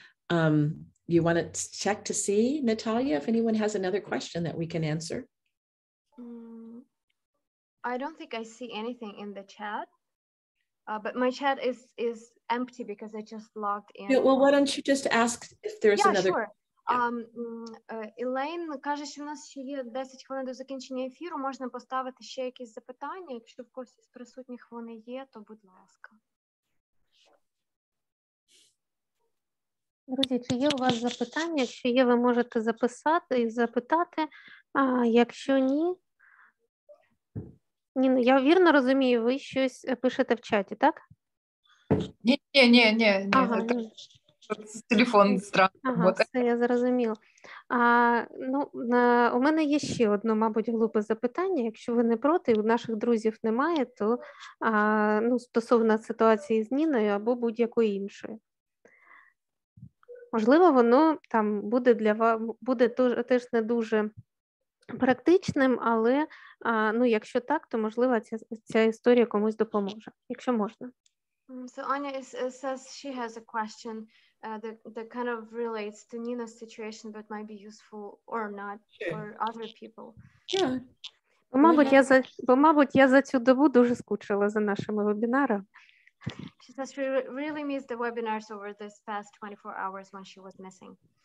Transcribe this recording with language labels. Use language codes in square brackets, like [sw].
[en] You want to check to see, Natalia, if anyone has another question that we can answer? I don't think I see anything in the chat, but my chat is empty because I just logged in. Yeah, well, why don't you just ask if there's another? Sure. Yeah, sure. [uk] Елейн каже, що в нас ще є 10 хвилин до закінчення ефіру. Можна поставити ще якісь запитання, якщо в когось із присутніх вони є, то будь ласка. Друзі, чи є у вас запитання? Якщо є, ви можете записати і запитати. А якщо ні? Ні, ну, я вірно розумію, ви щось пишете в чаті, так? Ні. Ага, ні. Телефон страшно. Ага, все, я зрозуміла. А, ну, у мене є ще одне, мабуть, глупе запитання. Якщо ви не проти, у наших друзів немає, то, ну, стосовно ситуації з Ніною або будь-якої іншої. Можливо, воно там буде для вас, буде теж не дуже практичним, але, ну, якщо так, то, можливо, ця історія комусь допоможе, якщо можна. [en] So Anya says she has a question that kind of relates to Nina's situation, but might be useful or not for other people. Yeah. [uk] Бо, мабуть, я за цю добу дуже скучила за нашими вебінарами. [en] She says she really missed the webinars over this past 24 hours when she was missing.